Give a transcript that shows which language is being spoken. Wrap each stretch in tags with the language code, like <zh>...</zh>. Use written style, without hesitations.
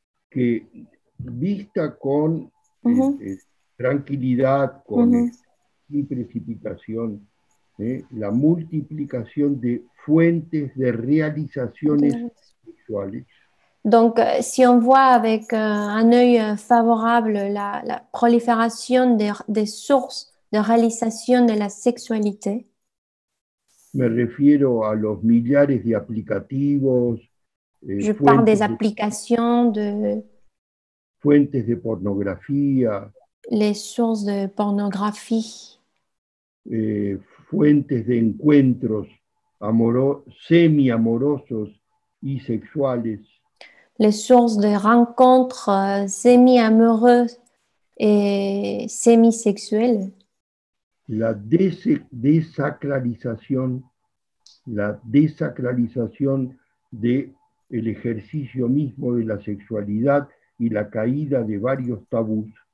<es>Que vista con tranquilidad, con sin precipitación, la multiplicación de fuentes de realizaciones sexuales.</es> <fr>Donc, si on voit avec un œil favorable la prolifération des sources de réalisation de la sexualité.</fr> <es>Me refiero a los millares de aplicativos.</es> <fr>Je parle des applications de</fr> <es>fuentes de pornografía.</es> <fr>Les sources de pornographie.</fr> <es>Fuentes de encuentros semi-amorosos y sexuales.</es> <fr>Les sources de rencontres semi-amoureuses et semi-sexuelles.</fr> <es>La desacralización, la desacralización de el ejercicio mismo de la sexualidad y la caída de varios tabús.</es>